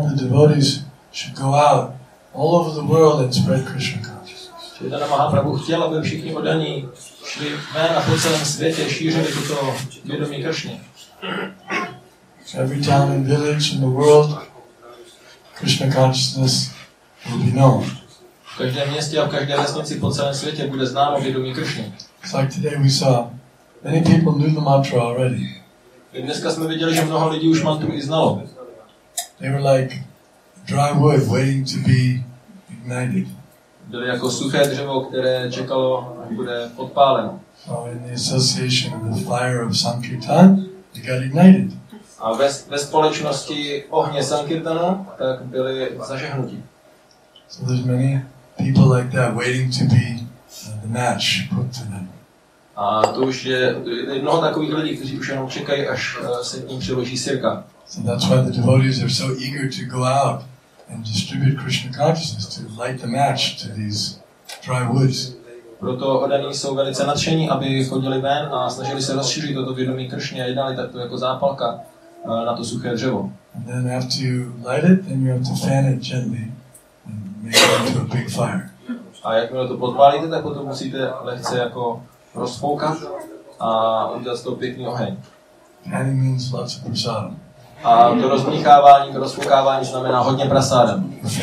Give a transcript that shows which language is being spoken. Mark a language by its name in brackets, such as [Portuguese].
[English] Should go out all over the world and spread Krishna consciousness. [Czech] Chaitanya Mahaprabhu chtěl, aby všichni oddaní šli ven a po celém světě šířili tuto vědomí Krishny. [English] Every town and village in the world, Krishna consciousness will be known. [Czech] V každém městě a v každé vesnici po celém světě bude známo vědomí Krishny. [English] It's like today we saw many people knew the mantra already. [Czech] Dneska jsme viděli, že mnoho lidí už mantru i znalo. [English] They were like dry wood waiting to be ignited. [Czech] Byly jako suché dřevo, které čekalo, až bude podpáleno. [English] So in the association of the fire of Sankirtan, they got ignited. [Czech] A ve společnosti ohně Sankirtana, tak byly zažehnutí. [English] So there's many people like that waiting to be the match put to them. [Czech] A to už je mnoho takových lidí, kteří už jenom čekají, až se k ním přiloží sirka. [English] So that's why the devotees are so eager to go out and distribute Krishna consciousness, to light the match to these dry woods. [Czech] Proto oddaní jsou velice nadšení, aby chodili ven a snažili se rozšířit toto vědomí Krishny a jednali takto jako zápalka na to suché dřevo. [English] And then after you light it, then you have to fan it gently and make it into a big fire. [Czech] A jakmile to podpálíte, tak potom musíte lehce jako rozfoukat a udělat z toho pěkný oheň. [English] Fanning means lots of prasadam. [Czech] A to rozmíchávání, to rozfoukávání znamená hodně prasádem.